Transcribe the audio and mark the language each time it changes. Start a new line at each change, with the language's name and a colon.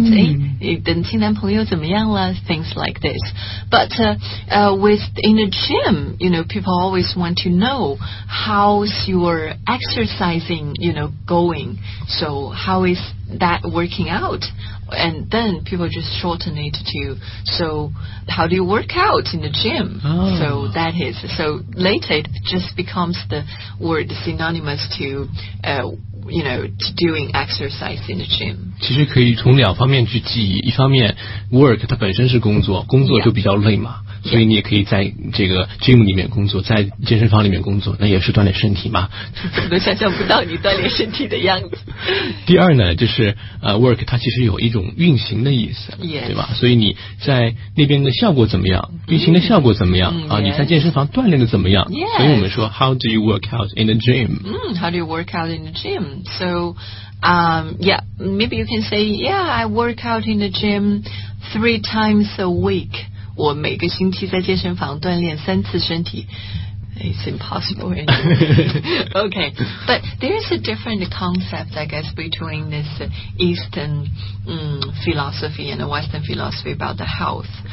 Chinese: 你的新男朋友怎么样了？
English: Things like this. But with in a gym, you know, people always want to know how's your exercising, you know, going. So how is that working out, and then people just shorten it to, so how do you work out in the gym? Oh. So that is, so later it just becomes the word synonymous to, you know, to doing exercise in the gym.
Chinese: 其实可以从两方面去记忆，一方面 work 它本身是工作，工作就比较累嘛。
English: Yeah.
Chinese: 所以你也可以在这个 gym 里面工作，在健身房里面工作，那也是锻炼身体嘛。怎么想象不到你锻炼身体的样子。第二呢，就是work 它其实有一种运行的意思、
English: yes.
Chinese: 对吧，所以你在那边的效果怎么样，运行的效果怎么样、
English: yes.
Chinese: 你在健身房锻炼的怎么样、
English: yes.
Chinese: 所以我们说
English: how do you work out in the gym、 how do you work out in the gym? So、yeah, maybe you can say yeah, I work out in the gym 3 times a week.
Chinese: 我每个星期在健身房锻炼三次身体
English: It's impossible anyway. Okay, but there's a different concept, I guess, between this Eastern philosophy and the Western philosophy about the health.